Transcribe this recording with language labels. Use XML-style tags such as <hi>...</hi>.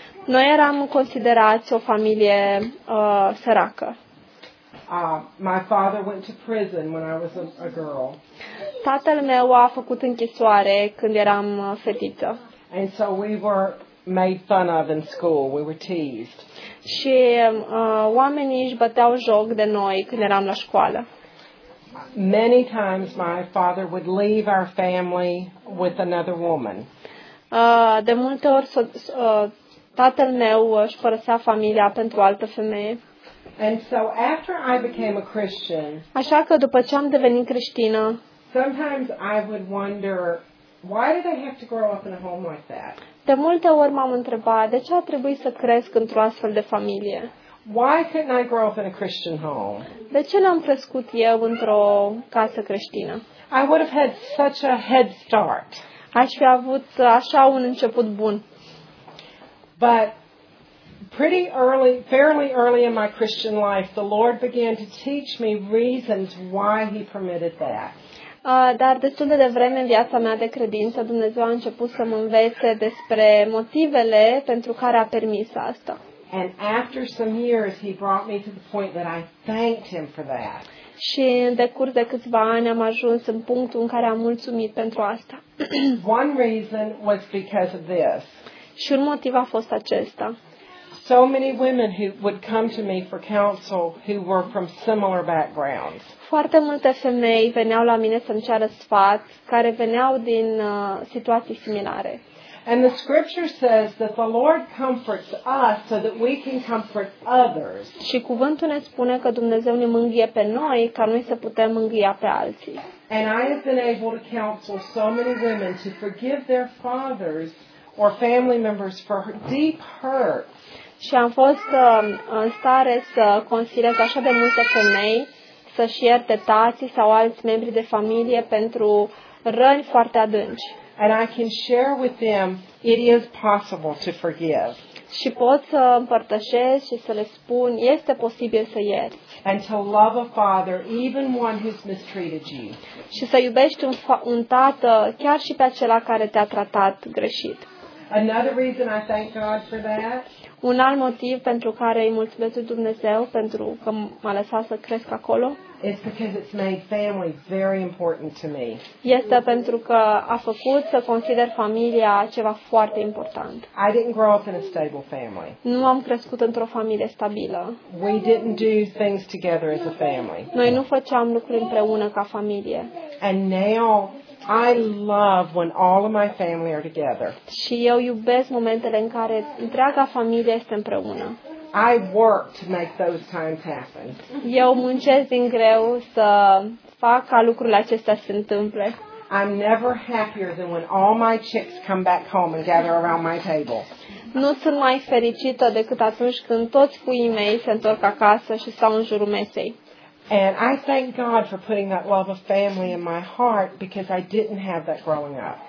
<ro>Noi eram considerați o familie săracă.</ro> <en>My father went to prison when I was a girl.</en> <ro>Tatăl meu a făcut închisoare când eram fetiță.</ro> <en>And so we were made fun of in school. We were teased.</en> <ro>Și oamenii își băteau joc de noi când eram la școală.</ro> <en>Many times my father would leave our family with another woman.</en> <ro>De multe ori tatăl meu își părăsea familia pentru o altă femeie.</ro> <en>And so after I became a Christian.</en> <ro>Așa că după ce am devenit creștină.</ro> <en>Sometimes I would wonder why did I have to grow up in a home like that?</en> <ro>De multe ori m-am întrebat de ce a trebuit să cresc într-o astfel de familie.</ro> <en>Why couldn't I grow up in a Christian home?</en> <ro>De ce n-am crescut eu într-o casă creștină?</ro> <en>I would have had such a head start.</en> <ro>Aș fi avut așa un început bun.</ro> <en>But pretty early, fairly early in my Christian life, the Lord began to teach me reasons why he permitted that.</en> <ro>Dar destul de devreme în viața mea de credință, Dumnezeu a început să mă învețe despre motivele pentru care a permis asta.</ro> <en>And after some years, he brought me to the point that I thanked him for that.</en> <ro>Și în decurs de câțiva ani am ajuns în punctul în care am mulțumit pentru asta.</ro> <en>One reason was because of this.</en> <ro>Și un motiv a fost acesta.</ro> <en>So many women who would come to me for counsel who were from similar backgrounds.</en> <ro>Foarte multe femei veneau la mine să-mi ceară sfat care veneau din situații similare.</ro> <en>And the scripture says that the Lord comforts us so that we can comfort others.</en> <ro>Și cuvântul ne spune că Dumnezeu ne mângâie pe noi ca noi să putem mângâia pe alții.</ro> <en>And I have been able to counsel so many women to forgive their fathers or family members for deep hurt.</en> <ro>Și am fost în stare să consiliez așa de multe femei să și ierte tații sau alți membri de familie pentru răni foarte adânci.</ro> <en>and I can share with them it is possible to forgive.</en> <ro>Și pot să împărtășesc și să le spun, este posibil să ierți.</ro> <en>And to love a father, even one who's mistreated you.</en> <ro>Și să iubești un tată, chiar și pe acela care te-a tratat greșit.</ro> <en>Another reason I thank God for that.</en> <ro>Un alt motiv pentru care îi mulțumesc Dumnezeu pentru că m-a lăsat să cresc acolo.</ro> <en>It's because it's made family very important to me.</en> <ro>Este pentru că a făcut să consider familia ceva foarte important.</ro> <en>I didn't grow up in a stable family.</en> <ro>Nu am crescut într-o familie stabilă.</ro> <en>We didn't do things together as a family.</en> <ro>Noi nu făceam lucruri împreună ca familie.</ro> <en>And now I love when all of my family are together.</en> <ro>Și eu iubesc momentele în care întreaga familie este împreună.</ro> <en>I work to make those times happen.</en> <ro>Eu muncesc din greu să fac ca lucrurile acestea să se întâmple.</ro> <en>I'm never happier than when all my chicks come back home and gather around my table.</en> <ro>Nu sunt mai fericită decât atunci când toți puii mei se întorc acasă și stau în jurul mesei.</ro> <en>And I thank God for putting that love of family in my heart because I didn't have that growing up.</en>